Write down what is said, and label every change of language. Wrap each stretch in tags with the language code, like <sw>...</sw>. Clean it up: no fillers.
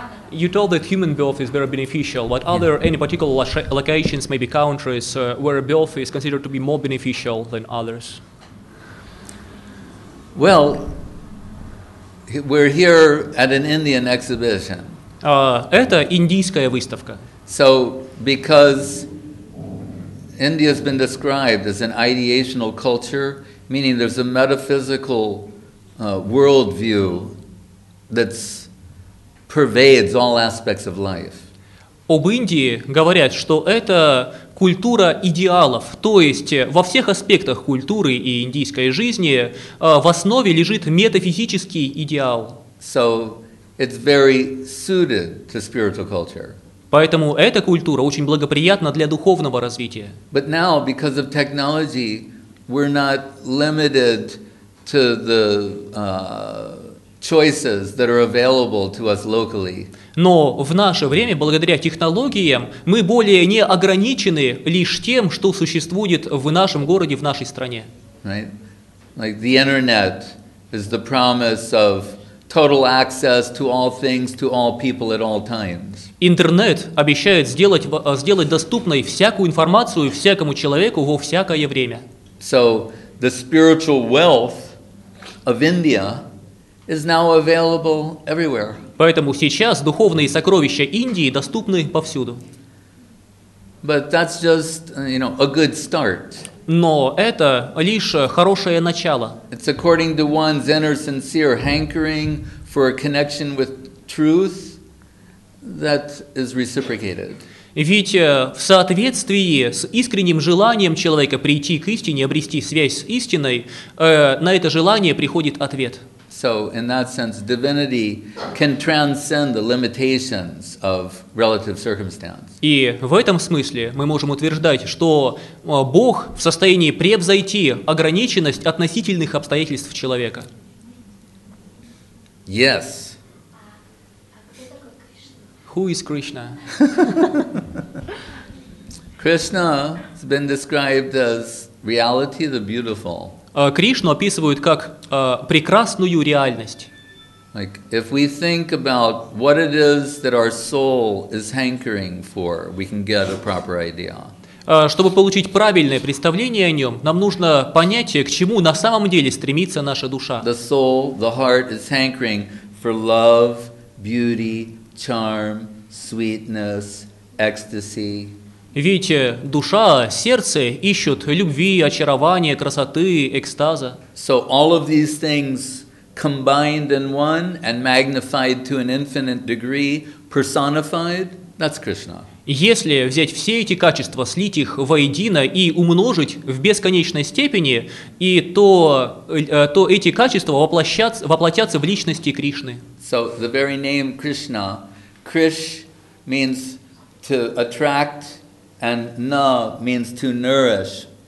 <en>You told that human birth is very beneficial, but are there any particular locations, maybe countries, where birth is considered to be more beneficial than others? Well, we're here at an Indian exhibition.</en> <ru>Это индийская выставка.</ru> <en>So, because India has been described as an ideational culture, meaning there's a metaphysical worldview that pervades all aspects of life.</en> <ru>Об Индии говорят, что это культура идеалов, то есть во всех аспектах культуры и индийской жизни в основе лежит метафизический идеал.</ru> <en>So it's very suited to spiritual culture.</en> <ru>Поэтому эта культура очень благоприятна для духовного развития.</ru> <en>But now, because of technology, we're not limited to the choices that are available to us locally.</en> <ru>Но в наше время, благодаря технологиям, мы более не ограничены лишь тем, что существует в нашем городе, в нашей стране.</ru> <en>Right? Like the internet is the promise of total access to all things, to all people at all times.</en> <ru>Интернет обещает сделать доступной всякую информацию всякому человеку во всякое время.</ru> <en>So the spiritual wealth of India is now available everywhere.</en> <ru>Поэтому сейчас духовные сокровища Индии доступны повсюду.</ru> <en>But that's just, you know, a good start.</en> <ru>Но это лишь хорошее начало.</ru> <en>It's according to one's inner sincere hankering for a connection with truth that is reciprocated.</en> <ru>Ведь в соответствии с искренним желанием человека прийти к истине, обрести связь с истиной, на это желание приходит ответ.</ru> <en>So in that sense, divinity can transcend the limitations of relative circumstance.</en> <ru>И в этом смысле мы можем утверждать, что Бог в состоянии превзойти ограниченность относительных обстоятельств человека.</ru> <en>Yes. Who is Krishna? Krishna has been described as reality, the beautiful.</en> <ru>Кришну описывают как прекрасную реальность.</ru> <en>Like if we think about what it is that our soul is hankering for, we can get a proper idea.</en> <ru>Чтобы получить правильное представление о нем, нам нужно понять, к чему на самом деле стремится наша душа.</ru> <en>The soul, the heart is hankering for love, beauty, charm, sweetness, ecstasy.</en> <ru>Ведь душа, сердце ищут любви, очарования, красоты, экстаза.</ru> <en>So all of these things combined in one and magnified to an infinite degree, personified, that's Krishna.</en> <ru>Если взять все эти качества, слить их воедино и умножить в бесконечной степени, и то эти качества воплотятся в личности Кришны.</ru> <en>So the very name Krishna, Krish means to attract, and na means to nourish.</en>